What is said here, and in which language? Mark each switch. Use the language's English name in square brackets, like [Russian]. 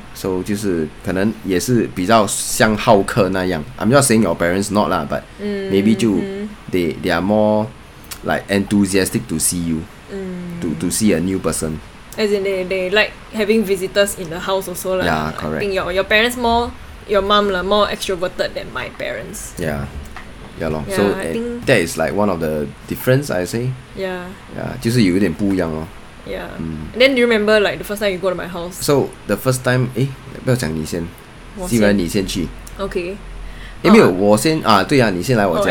[Chinese] So 就是可能也是比较像好客那样。 [English] I'm not saying your parents not lah, but maybe they are more like enthusiastic to see you, to see a new person. As in they like having visitors in the house also lah. Yeah, correct. I think your parents more, your mom lah, more extroverted than my parents. Yeah, lor. So I think that is like one of the difference, I say. Yeah, [Chinese] 就是有一点不一样 lor. [English] Yeah. And then do you remember like the first time you go to my house? So the first time, [Chinese] 不要讲你先, 既然你先去。 [English] Okay. [Chinese] 没有我先啊，对啊，你先来我家。